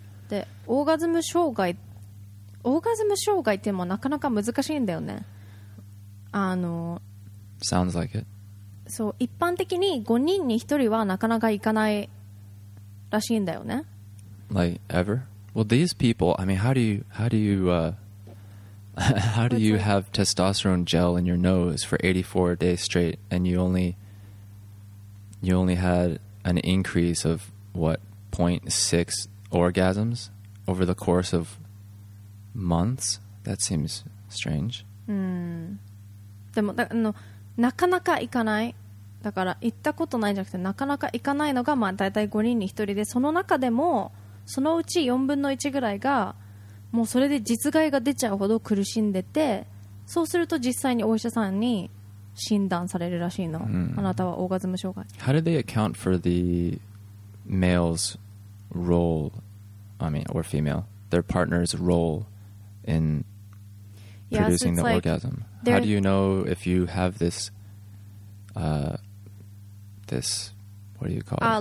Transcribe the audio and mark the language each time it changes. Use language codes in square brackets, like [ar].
[ja] で、オーガズム障害、オーガズム障害ってもなかなか難しいんだよね。 [en] Sounds like it. [ja] そう、一般的に5人に1人はなかなかいかないらしいんだよね。 [en] Like ever? Well, these people, I mean, how do you have testosterone gel in your nose for 84 days straight and you only had an increase of, what, 0.6 orgasms over the course of months? That seems strange. [ja] でも、なかなか行かない。だから、行ったことないじゃなくて、なかなか行かないのが、まあ、大体5人に1人で、その中でも、そのうち4分の1ぐらいがもうそれで実害が出ちゃうほど苦しんでて、そうすると実際にお医者さんに診断されるらしいの、mm. あなたはオーガズム障害。 [en] How do they account for the male's role, I mean, or female, their partner's role in producing yes, the orgasm? How do you know if you have this this, what do you call it?